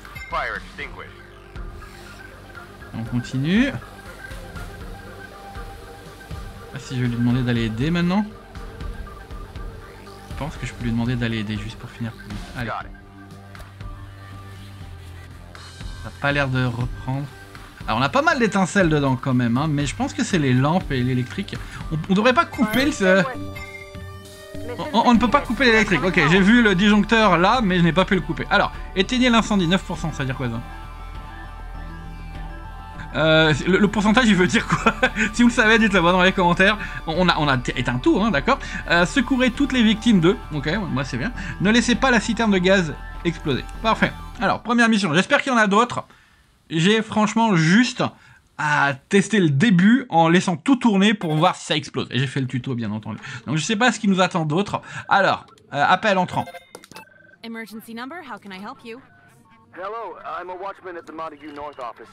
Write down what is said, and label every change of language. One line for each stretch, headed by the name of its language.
English: Fire extinguished.
French: On continue. Ah, si je vais lui demander d'aller aider maintenant. Je pense que je peux lui demander d'aller aider juste pour finir. Allez. Ça n'a pas l'air de reprendre. Alors on a pas mal d'étincelles dedans quand même, hein, mais je pense que c'est les lampes et l'électrique. On devrait pas couper le... On ne peut pas couper l'électrique. Ok, j'ai vu le disjoncteur là, mais je n'ai pas pu le couper. Alors, éteignez l'incendie, 9%, ça veut dire quoi ça? Le pourcentage, il veut dire quoi? Si vous le savez, dites-le moi dans les commentaires. On a éteint tout, hein, d'accord. Secourez toutes les victimes d'eux. Ok, moi c'est bien. Ne laissez pas la citerne de gaz exploser. Parfait. Alors, première mission, j'espère qu'il y en a d'autres. J'ai franchement juste à tester le début en laissant tout tourner pour voir si ça explose. Et j'ai fait le tuto, bien entendu. Donc, je sais pas ce qui nous attend d'autre. Alors, appel entrant.
English: Emergency number, how can I help you? Hello, I'm a watchman at the Montague North office.